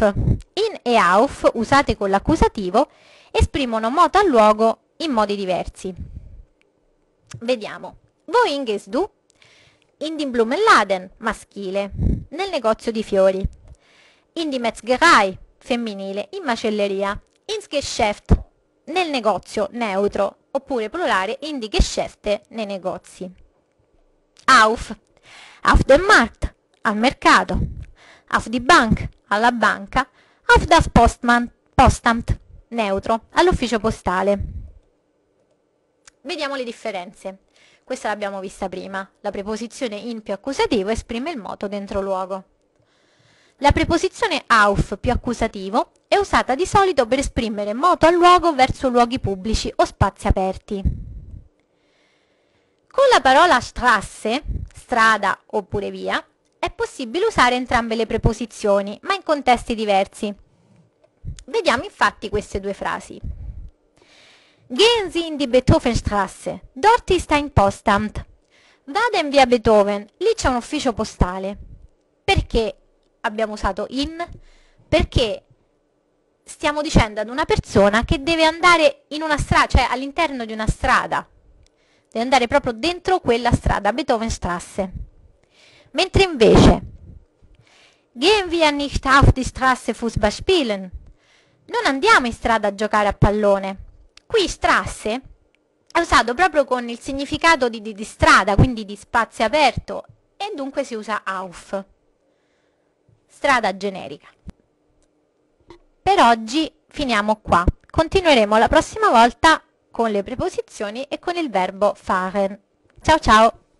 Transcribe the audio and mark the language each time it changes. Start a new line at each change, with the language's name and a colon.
Italian: In e auf, usate con l'accusativo, esprimono moto al luogo in modi diversi. Vediamo.
German: Wohin gehst du? In den Blumenladen,
Italian: maschile, nel negozio di fiori.
German: In die Metzgerei,
Italian: femminile, in macelleria.
German: Ins Geschäft,
Italian: nel negozio, neutro, oppure plurale,
German: in die Geschäfte,
Italian: nei negozi.
German: Auf, auf dem Markt,
Italian: al mercato.
German: Auf die Bank,
Italian: alla banca.
German: Auf das Postamt,
Italian: neutro, all'ufficio postale. Vediamo le differenze. Questa l'abbiamo vista prima, la preposizione in più accusativo esprime il moto dentro luogo. La preposizione auf più accusativo è usata di solito per esprimere moto al luogo verso luoghi pubblici o spazi aperti. Con la parola Straße, strada oppure via, è possibile usare entrambe le preposizioni, ma in contesti diversi. Vediamo infatti queste due frasi.
German: Gehen Sie in die Beethovenstraße, dort ist ein Postamt.
Italian: Vada in via Beethoven, lì c'è un ufficio postale. Perché abbiamo usato in? Perché stiamo dicendo ad una persona che deve andare in una strada, cioè all'interno di una strada. Deve andare proprio dentro quella strada, Beethovenstraße. Mentre invece,
German: Gehen wir nicht auf die Straße Fußball spielen.
Italian: Non andiamo in strada a giocare a pallone. Qui Straße è usato proprio con il significato di strada, quindi di spazio aperto, e dunque si usa auf, strada generica. Per oggi finiamo qua. Continueremo la prossima volta con le preposizioni e con il verbo fahren. Ciao ciao!